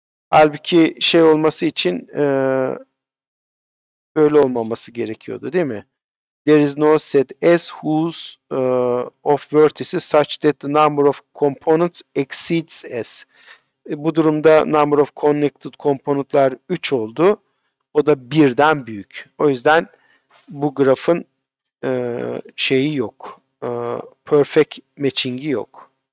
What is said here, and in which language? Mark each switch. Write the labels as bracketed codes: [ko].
[tr] Halbuki şey olması için böyle olmaması gerekiyordu, değil mi? [en] There is no set S whose of vertices such that the number of components exceeds S. [tr] Bu durumda [en] number of connected component'lar [tr] 3 oldu. O da birden büyük. O yüzden bu grafın şeyi yok. Perfect matching'i yok.